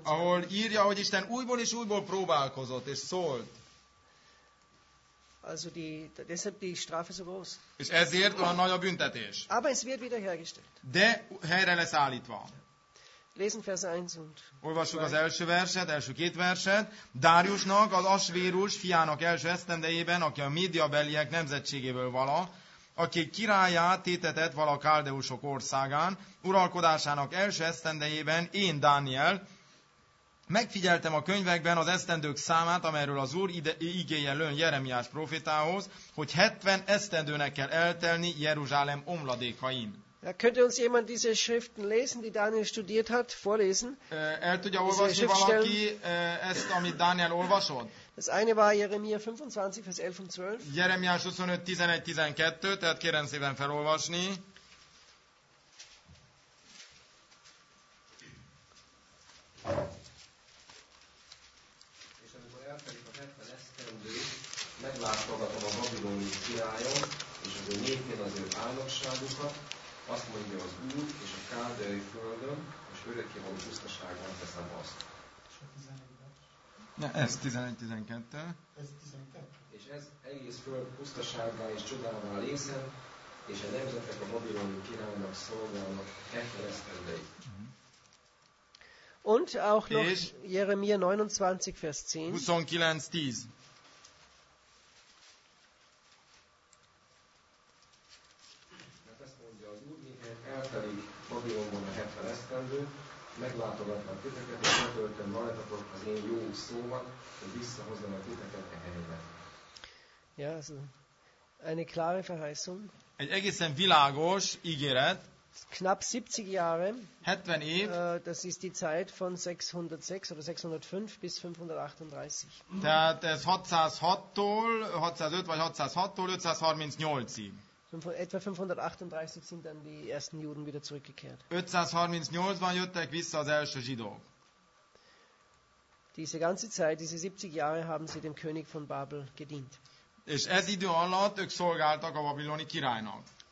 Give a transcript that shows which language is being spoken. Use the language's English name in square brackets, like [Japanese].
[Hungarian] Ahol írja, hogy Isten újból és újból próbálkozott és szólt. [German] Also deshalb die Strafe so groß. [Hungarian] És ezért olyan nagy a büntetés. [German] Aber es wird wiederhergestellt. [Hungarian] De helyre lesz állítva. [German] Lesen Vers 1 und [Hungarian] olvassuk az első verset, első két verset. Dáriusnak, az Asvérus fiának első esztendejében, aki a médiabeliek nemzetségéből vala, aki királyá tétetett vala káldeusok országán, uralkodásának első esztendejében én, Dániel, megfigyeltem a könyvekben az esztendők számát, amelyről az Úr igéje lőn Jeremiás profétához, hogy 70 esztendőnek kell eltelni Jeruzsálem omladékain. [German] Ja, könnte uns jemand diese Schriften lesen, die Daniel studiert hat, vorlesen? [Hungarian] El tudja olvasni valaki ezt, amit Daniel olvasott? [German] Das eine war Jeremia 25, Vers 11 und 12. [Hungarian] Jeremiás 25, 11, 12, tehát kérem szépen felolvasni. És amikor elkerül a 70 esztendő, meglátogatom a babiloni királyon, és az ő népén az ő álnokságukat, azt mondja az Úr, és a káldeai földön, és örökké való pusztaságban teszem azt. Ja, ez 11-12. És ez egész föld pusztaságban és csodában lészen, és a nemzetek a babiloni királynak szolgálnak 70 esztendőig. [German] Und auch noch Jeremia 29, Vers 10. 29:10. [Hungarian] Mert ezt mondja, az Úr, mihelyt eltelik Babilonban a 70 esztendő, meglátogatnak titeket, és letöltöm rajtatok az én jó szómat, hogy visszahozzam a titeket a helyébe. [German] Ja, also eine klare Verheißung. [Hungarian] Egy egészen világos ígéret. [German] Knapp 70 Jahre. [Hungarian] 70 év. [German] Das ist die Zeit von 606 oder 605 bis 538. [Hungarian] Tehát ez 606-tól, 605 vagy 606-tól 538-ig. [German] Etwa 538 sind dann die ersten Juden wieder zurückgekehrt. [Hungarian] 538-ban jöttek vissza az első zsidók. [German] Diese ganze Zeit, diese 70 Jahre haben sie dem König von Babel gedient. [Hungarian] És ez idő alatt ők szolgáltak a babiloni királynak.